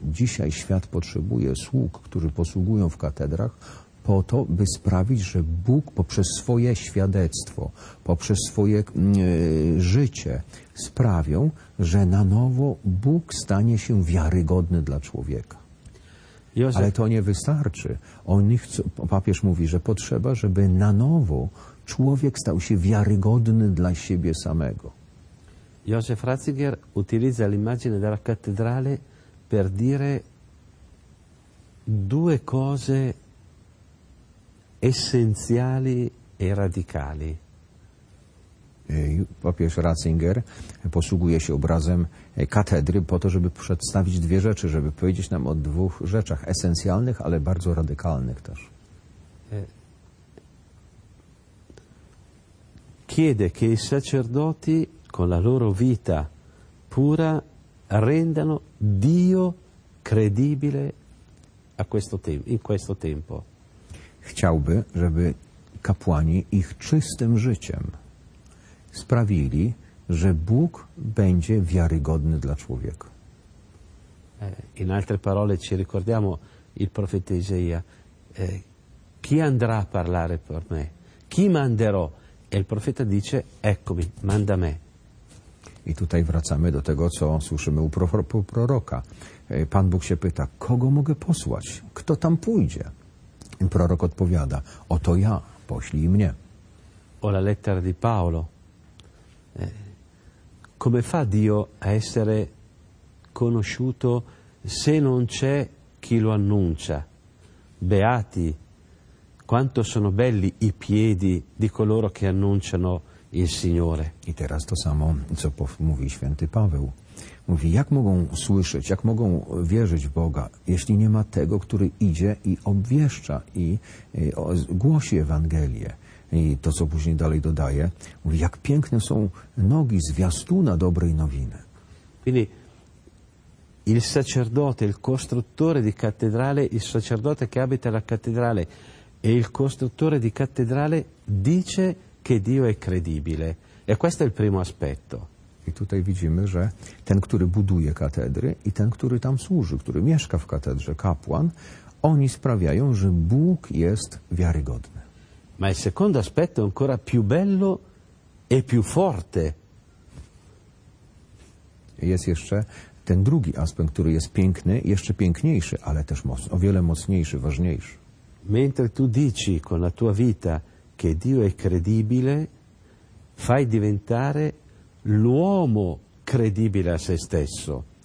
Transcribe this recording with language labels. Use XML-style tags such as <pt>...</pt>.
<pl>Dzisiaj świat potrzebuje sług, którzy posługują w katedrach po to, by sprawić, że Bóg poprzez swoje świadectwo, poprzez swoje życie sprawią, że na nowo Bóg stanie się wiarygodny dla człowieka. Józef. Ale to nie wystarczy. Papież mówi, że potrzeba, żeby na nowo człowiek stał się wiarygodny dla siebie samego.</pl> <it>Józef Ratzinger utilizza l'immagine della cattedrale per dire due cose essenziali e radicali.</it> <pl>Papież Ratzinger posługuje się obrazem katedry po to, żeby przedstawić dwie rzeczy, żeby powiedzieć nam o dwóch rzeczach esencjalnych, ale bardzo radykalnych też.</pl> <it>Chiede che i sacerdoti con la loro vita pura rendano Dio credibile a questo tempo, in questo tempo.</it> <pl>Chciałby, żeby kapłani ich czystym życiem sprawili, że Bóg będzie wiarygodny dla człowieka.</pl> <it>In altre parole, ci ricordiamo il profeta Isaia: chi andrà a parlare per me? Chi manderò? E il profeta dice: eccomi, manda me.</it> <pl>I tutaj wracamy do tego, co słyszymy u proroka. Pan Bóg się pyta: kogo mogę posłać? Kto tam pójdzie? I prorok odpowiada: oto ja, poślij mnie.</pl> <it>O la lettera di Paolo. Come fa Dio a essere conosciuto se non c'è chi lo annuncia? Beati, quanto sono belli i piedi di coloro che annunciano il Signore.</it> <pl>I teraz to samo, co mówi święty Paweł. Mówi, jak mogą słyszeć, jak mogą wierzyć w Boga, jeśli nie ma tego, który idzie i obwieszcza, głosi Ewangelię. I to, co później dalej dodaje, mówi, jak piękne są nogi zwiastuna dobrej nowiny.</pl> <it>Quindi il sacerdote, il costruttore di cattedrale, il sacerdote che abita la cattedrale e il costruttore di cattedrale dice che Dio è credibile. E questo è il primo aspetto.</it> <pl>I tutaj widzimy, że ten, który buduje katedry i ten, który tam służy, który mieszka w katedrze, kapłan, oni sprawiają, że Bóg jest wiarygodny.</pl> <it>Ma il secondo aspetto è ancora più bello e più forte.</it> <pl>Jest jeszcze ten drugi aspekt, który jest piękny, jeszcze piękniejszy, ale też o wiele mocniejszy, ważniejszy.</pl> <it>Mentre tu dici con la tua vita che Dio è credibile, fai diventare l'uomo credibile a se stesso.</it>